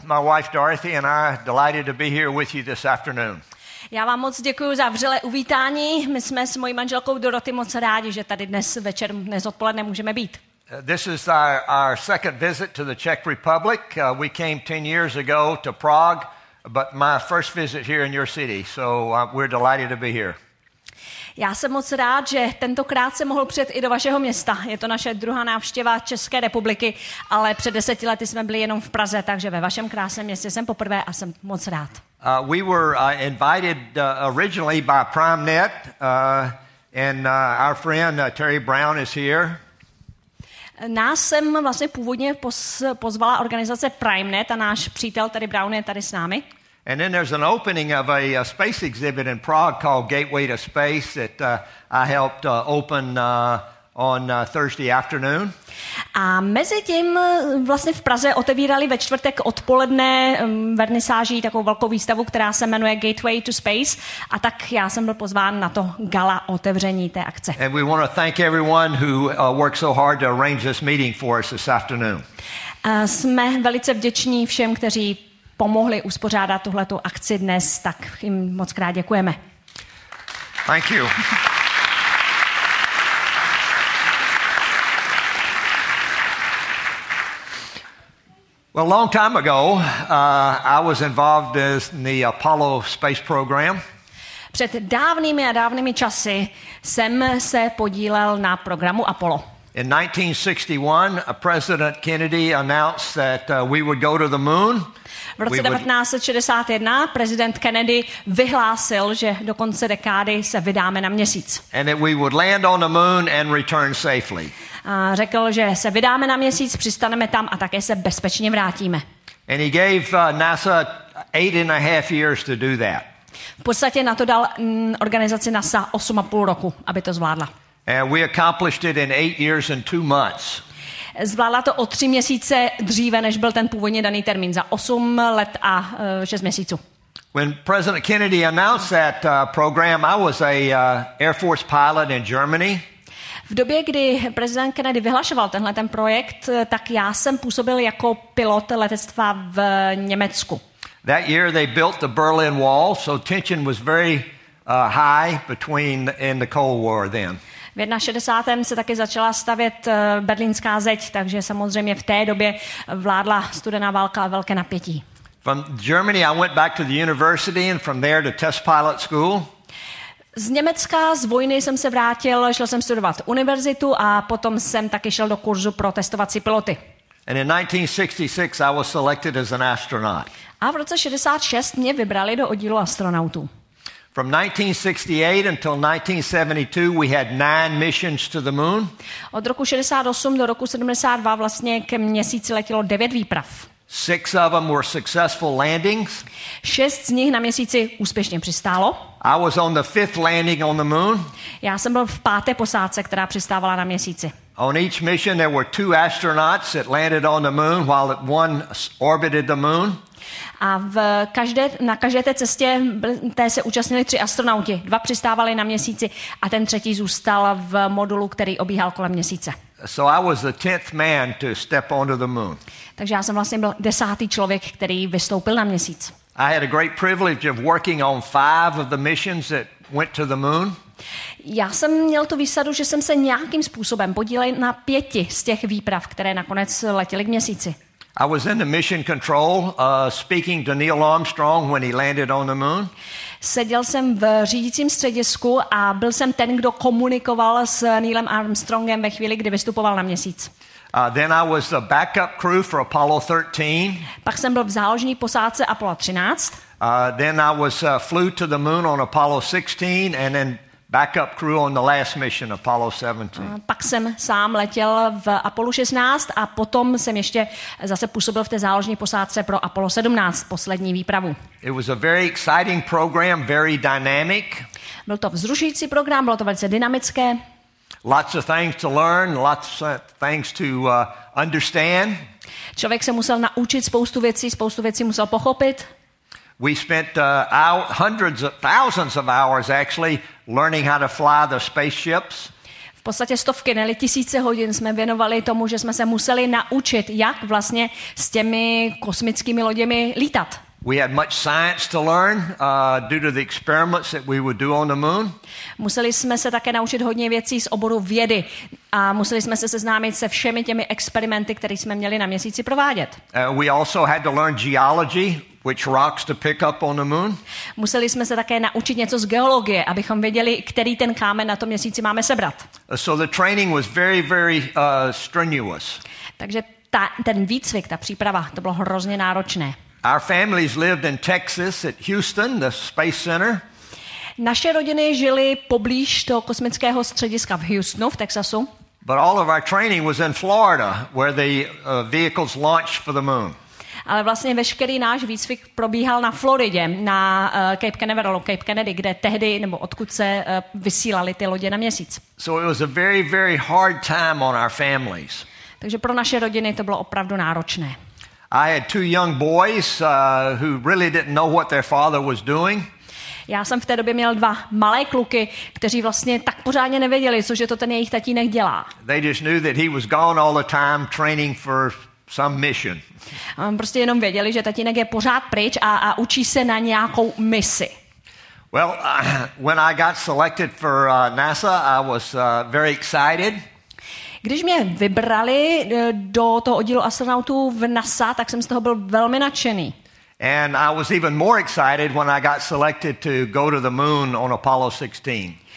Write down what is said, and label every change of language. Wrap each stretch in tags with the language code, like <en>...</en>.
<en>My wife Dorothy and I are delighted to be here with you this afternoon.</en> <cs>Já vám moc děkuji za vřelé uvítání. My jsme s mojí manželkou Dorothy moc rádi, že tady dnes odpoledne můžeme být.</cs> <en>This is our second visit to the Czech Republic. We came 10 years ago to Prague. But my first visit here in your city, so we're delighted to be here.</en> <cs>Já jsem moc rád, že tentokrát jsem mohl přijet i do vašeho města. Je to naše druhá návštěva České republiky, ale před 10 lety jsme byli jenom v Praze, takže ve vašem krásném městě jsem poprvé a jsem moc rád.</cs> <en>We were invited originally by PrimeNet, and our friend Terry Brown is here.</en> <cs>Nás jsem vlastně původně pozvala organizace PrimeNet a náš přítel Terry Brown je tady s námi.</cs> <en>And then there's an opening of a space exhibit in Prague called Gateway to Space that I helped open on Thursday afternoon.</en> <cs>A mezi tím vlastně v Praze otevírali ve čtvrtek odpoledne vernisáží takovou velkou výstavu, která se jmenuje Gateway to Space, a tak já jsem byl pozván na to gala otevření té akce.</cs> <en>And we want to thank everyone who worked so hard to arrange this meeting for us this afternoon.</en> <cs>Jsme velice vděční všem, kteří pomohli uspořádat tuhletu akci dnes, tak jim moc krát děkujeme.</cs> <en>Thank you. Well, a long time ago, I was involved in the Apollo space program.</en> <cs>Před dávnými a dávnými časy jsem se podílel na programu Apollo.</cs> <en>In 1961, President Kennedy announced that we would go to the moon.</en> <cs>V roce 1961 prezident Kennedy vyhlásil, že do konce dekády se vydáme na měsíc.</cs> <en>And that we would land on the moon and return safely.</en> <cs>A řekl, že se vydáme na měsíc, přistaneme tam a také se bezpečně vrátíme.</cs> <en>And he gave NASA 8.5 years to do that.</en> <cs>V podstatě na to dal organizaci NASA 8.5 roku, aby to zvládla.</cs> <en>And we accomplished it in 8 years and 2 months.</en> <cs>Zvládla to o 3 měsíce dříve, než byl ten původně daný termín, za 8 let a 6 měsíců.</cs> <en>When President Kennedy announced that program, I was a Air Force pilot in Germany.</en> <cs>V době, kdy prezident Kennedy vyhlašoval tenhle ten projekt, tak já jsem působil jako pilot letectva v Německu.</cs> <en>That year they built the Berlin Wall, so tension was very high between in the Cold War then.</en> <cs>V 61. se taky začala stavět berlínská zeď, takže samozřejmě v té době vládla studená válka a velké napětí.</cs> <en>From Germany I went back to the university and from there to test pilot school.</en> <cs>Z Německa z vojny jsem se vrátil, šel jsem studovat univerzitu a potom jsem taky šel do kurzu pro testovací piloty.</cs> <en>And in 1966 I was selected as an astronaut.</en> <cs>A v roce 66 mě vybrali do oddílu astronautů.</cs> <en>From 1968 until 1972 we had 9 missions to the moon.</en> <cs>Od roku 68 do roku 72 vlastně ke měsíci letělo 9 výprav.</cs> <en>6 of them were successful landings.</en> <cs>6 z nich na měsíci úspěšně přistálo.</cs> <en>I was on the 5th landing on the moon.</en> <cs>Já jsem byl v 5. posádce, která přistávala na měsíci.</cs> <en>On each mission there were 2 astronauts that landed on the moon while one orbited the moon.</en> <cs>A na každé té cestě se účastnili 3 astronauti. 2 přistávali na měsíci a ten třetí zůstal v modulu, který obíhal kolem měsíce.</cs> <en>So I was the 10th man to step onto the moon.</en> <cs>Takže já jsem vlastně byl 10. člověk, který vystoupil na měsíc.</cs> <en>I had a great privilege of working on 5 of the missions that went to the moon.</en> <cs>Já jsem měl tu výsadu, že jsem se nějakým způsobem podílel na 5 z těch výprav, které nakonec letěly k měsíci.</cs> <en>I was in the mission control speaking to Neil Armstrong when he landed on the moon.</en> <cs>Seděl jsem v řídícím středisku a byl jsem ten, kdo komunikoval s Neilem Armstrongem ve chvíli, kdy vystupoval na měsíc.</cs> <en>Then I was the backup crew for Apollo 13.</en> <cs>Pak jsem byl v záložní posádce Apollo 13.</cs> <en>Then I was flew to the moon on Apollo 16 and then backup crew on the last mission Apollo 17.</en> <cs>Pak jsem sám letěl v Apollo 16 a potom jsem ještě zase působil v té záložní posádce pro Apollo 17, poslední výpravu.</cs> <en>It was a very exciting program, very dynamic.</en> <cs>Byl to vzrušující program, bylo to velice dynamické.</cs> <en>Lots of things to learn, lots of things to understand.</en> <cs>Člověk se musel naučit spoustu věcí musel pochopit.</cs> <en>We spent thousands of hours actually learning how to fly the spaceships.</en> <cs>V podstatě stovky, ne-li tisíce hodin jsme věnovali tomu, že jsme se museli naučit, jak vlastně s těmi kosmickými loděmi lítat.</cs> <en>We had much science to learn due to the experiments that we would do on the moon.</en> <cs>Museli jsme se také naučit hodně věcí z oboru vědy a museli jsme se seznámit se všemi těmi experimenty, které jsme měli na měsíci provádět.</cs> <en>We also had to learn geology. Which rocks to pick up on the moon?</en> <cs>Museli jsme se také naučit něco z geologie, abychom věděli, který ten kámen na tom měsíci máme sebrat.</cs> <en>So the training was very, very strenuous.</en> <cs>Takže ten výcvik, ta příprava, to bylo hrozně náročné.</cs> <en>Our families lived in Texas at Houston, the Space Center.</en> <cs>Naše rodiny žily poblíž toho kosmického střediska v Houstonu, v Texasu.</cs> <en>But all of our training was in Florida, where the vehicles launched for the moon.</en> <cs>Ale vlastně veškerý náš výcvik probíhal na Floridě, na Cape Canaveral, Cape Kennedy, kde tehdy, nebo odkud se vysílali ty lodě na měsíc.</cs> <en>So it was a very, very hard time on our families.</en> <cs>Takže pro naše rodiny to bylo opravdu náročné.</cs> <en>I had 2 young boys who really didn't know what their father was doing.</en> <cs>Já jsem v té době měl 2 malé kluky, kteří vlastně tak pořádně nevěděli, cože to ten jejich tatínek dělá.</cs> <en>They just knew that he was gone all the time training for some mission.</en> <cs>Prostě jenom věděli, že tatínek je pořád pryč a učí se na nějakou misi.</cs> <en>Well, when I got selected for NASA, I was very excited.</en> <cs>Když mě vybrali do toho oddílu astronautů v NASA, tak jsem z toho byl velmi nadšený.</cs> <en>And I was even more excited when I got selected to go to the moon on Apollo 16.</en>